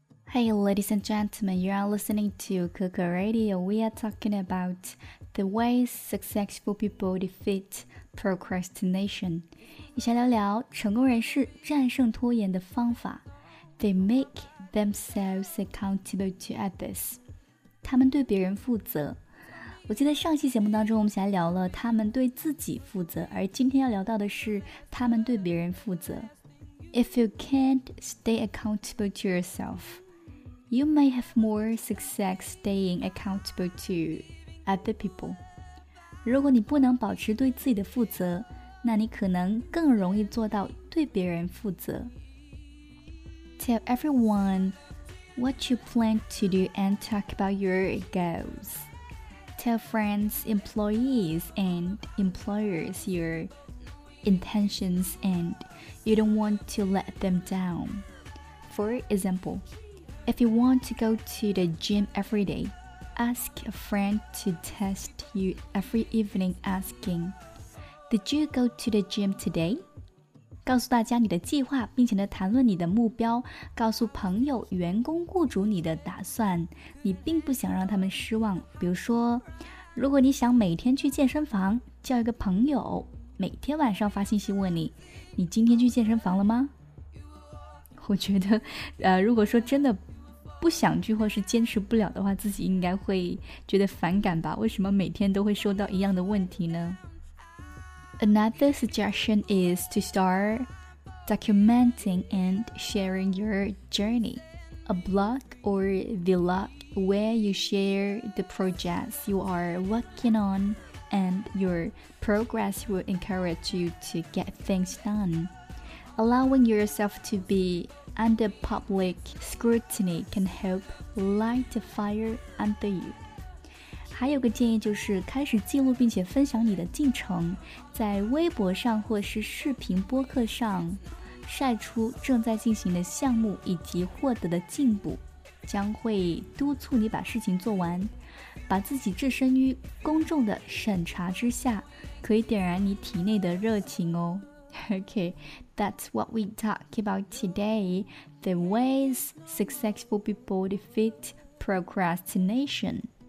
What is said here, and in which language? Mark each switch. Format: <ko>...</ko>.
<en>Hey, ladies and gentlemen, you are listening to Coco Radio. We are talking about the ways successful people defeat procrastination.</en> <zh>一起来聊聊成功人士战胜拖延的方法。</zh> <en>They make themselves accountable to others.</en> <zh>他们对别人负责。我记得上期节目当中我们才聊了他们对自己负责，而今天要聊到的是他们对别人负责。</zh> <en>If you can't stay accountable to yourself,You may have more success staying accountable to other people.</en> <zh>如果你不能保持对自己的负责，那你可能更容易做到对别人负责。</zh> <en>Tell everyone what you plan to do and talk about your goals. Tell friends, employees, and employers your intentions and you don't want to let them down. For example,If you want to go to the gym every day, ask a friend to test you every evening asking, Did you go to the gym today?</en> <zh>告诉大家你的计划并且谈论你的目标，告诉朋友、员工、雇主你的打算，你并不想让他们失望。比如说，如果你想每天去健身房，叫一个朋友每天晚上发信息问你，你今天去健身房了吗？我觉得如果说真的不想去或是坚持不了的话，自己应该会觉得反感吧，为什么每天都会收到一样的问题呢？</zh> <en>Another suggestion is to start documenting and sharing your journey. A blog or vlog where you share the projects you are working on and your progress will encourage you to get things done. Allowing yourself to be under public scrutiny can help light a fire under you.</en> <zh>还有个建议就是开始记录并且分享你的进程，在微博上或是视频播客上晒出正在进行的项目以及获得的进步，将会督促你把事情做完，把自己置身于公众的审查之下，可以点燃你体内的热情哦。</zh> <en>Okay, that's what we talk about today, the ways successful people defeat procrastination.</en>